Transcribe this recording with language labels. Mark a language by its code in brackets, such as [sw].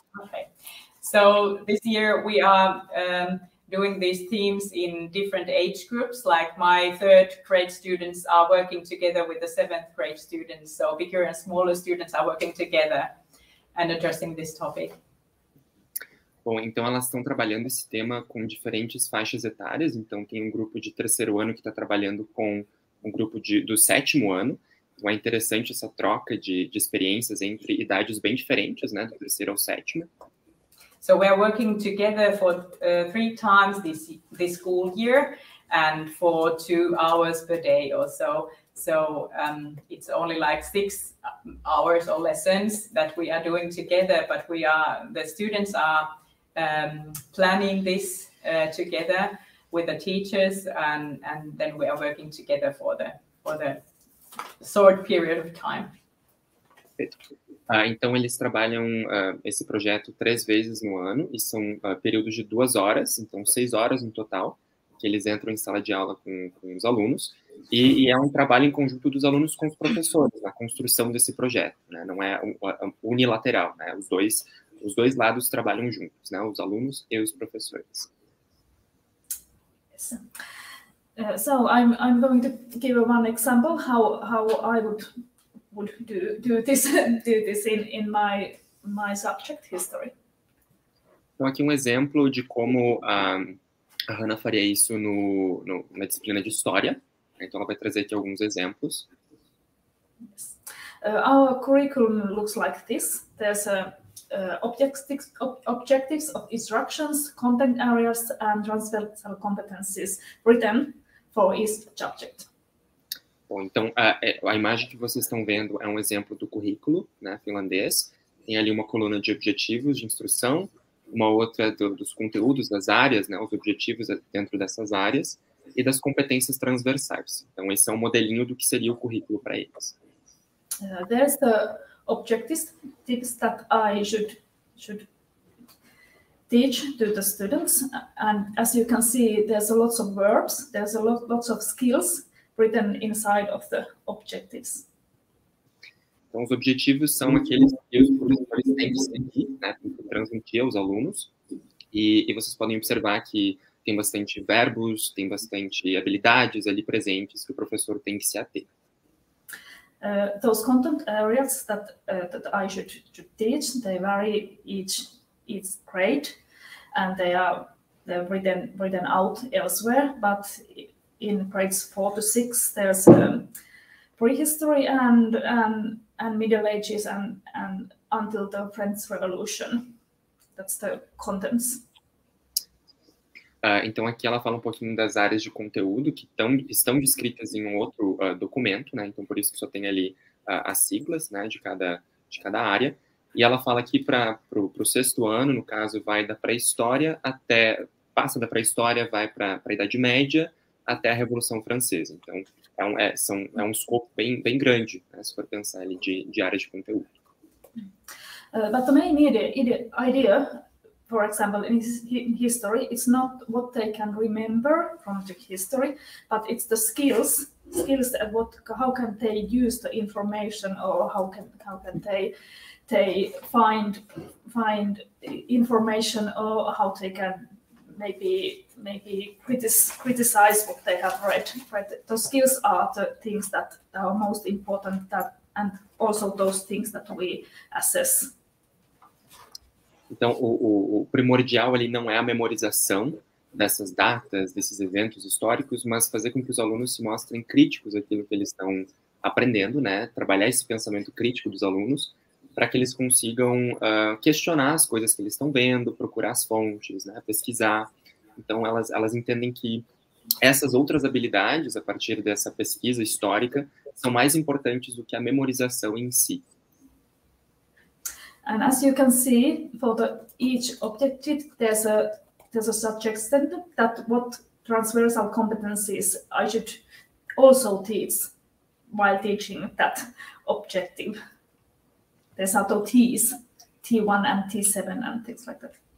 [en] Okay. So this year we are doing these themes in different age groups. Like my third grade students are working together with the seventh grade students. So bigger and smaller students are working together and addressing this topic. [pt] Bom, então elas estão trabalhando esse tema com diferentes faixas etárias, então tem um grupo de terceiro ano que está trabalhando com um grupo do sétimo ano, então é interessante essa troca de experiências entre idades bem diferentes, né, do terceiro ao sétimo. [en] So we're working together for three times this school year and for 2 hours per day or so. So it's only like 6 hours or lessons that we are doing together, but the students are planning this together with the teachers, and then we are working together for the short period of time. [pt] Então eles trabalham esse projeto 3 vezes no ano, e são períodos de 2 horas, então 6 horas no total, que eles entram em sala de aula com os alunos, e é um trabalho em conjunto dos alunos com os professores, na construção desse projeto, né? Não é unilateral, né? Os dois lados trabalham juntos, né? Os alunos e os professores. [en] So I'm going to give one example how I would do this in my subject history. [pt] Então aqui um exemplo de como a Hanna faria isso no na disciplina de história. Então ela vai trazer aqui alguns exemplos. [en] Our curriculum looks like this. There's a objectives of instructions, content areas, and transversal competencies written for each subject. [pt] Bom, então, a imagem que vocês estão vendo é um exemplo do currículo, né, finlandês. Tem ali uma coluna de objetivos de instrução, uma outra dos conteúdos das áreas, né, os objetivos dentro dessas áreas, e das competências transversais. Então, esse é um modelinho do que seria o currículo para eles. [en] There's the objectives that I should teach to the students. And as you can see, there's a lots of verbs, there's a lots of skills written inside of the objectives. [pt] Então, os objetivos são aqueles que os professores têm que seguir, né, têm que transmitir aos alunos. E vocês podem observar que tem bastante verbos, tem bastante habilidades ali presentes que o professor tem que se ater. [en] Those content areas that that I should teach, they vary each grade, and they're written out elsewhere. But in grades 4 to 6, there's prehistory and Middle Ages and until the French Revolution. That's the contents. [pt] Então, aqui ela fala um pouquinho das áreas de conteúdo que estão descritas em um outro documento, né? Então, por isso que só tem ali as siglas, né? de cada área. E ela fala aqui para o sexto ano, no caso, vai da pré-história até... Passa da pré-história, vai para a Idade Média até a Revolução Francesa. Então, é um escopo bem grande, né? Se for pensar ali de áreas de conteúdo. [en] But the main idea... For example, in history, it's not what they can remember from the history, but it's the skills and how can they use the information, or how can they find information, or how they can maybe criticize what they have read. But the skills are the things that are most important, that and also those things that we assess. [pt] Então, o primordial ali não é a memorização dessas datas, desses eventos históricos, mas fazer com que os alunos se mostrem críticos aquilo que eles estão aprendendo, né? Trabalhar esse pensamento crítico dos alunos para que eles consigam questionar as coisas que eles estão vendo, procurar as fontes, né? Pesquisar. Então, elas entendem que essas outras habilidades, a partir dessa pesquisa histórica, são mais importantes do que a memorização em si. [en] And as you can see, for each objective, there's a suggestion that what transversal competencies I should also teach while teaching that objective. There's also T's, T1 and T7 and things like that.